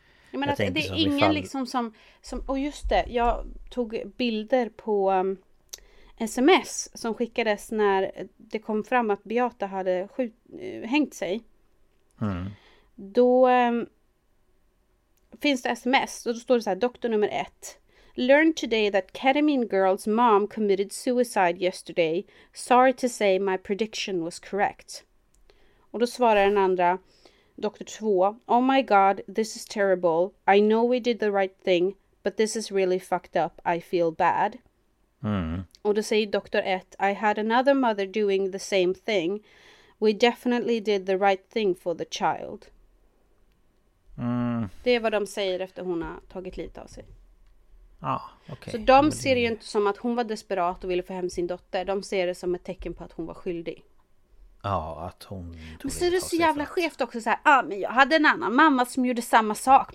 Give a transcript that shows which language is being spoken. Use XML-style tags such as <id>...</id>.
<sv>Men att det är som ingen ifall... liksom som, och just det, jag tog bilder på sms som skickades när det kom fram att Beata hade hängt sig. Då finns det sms och då står det så här: doktor nummer ett.</sv> <en>Learned today that ketamine girl's mom committed suicide yesterday. Sorry to say my prediction was correct.</en> <sv>Och då svarar den andra, doktor 2,</sv> <en>oh my god, this is terrible. I know we did the right thing, but this is really fucked up. I feel bad. Mm.</en> <sv>Och då säger doktor 1,</sv> <en>I had another mother doing the same thing. We definitely did the right thing for the child. Mm.</en> <sv>Det är vad de säger efter hon har tagit lite av sig. Ah, okay. Så de ser det ju inte som att hon var desperat och ville få hem sin dotter. De ser det som ett tecken på att hon var skyldig. Ja, att hon... Men så är det så jävla skevt också. Så här, ah, men jag hade en annan mamma som gjorde samma sak.</sv>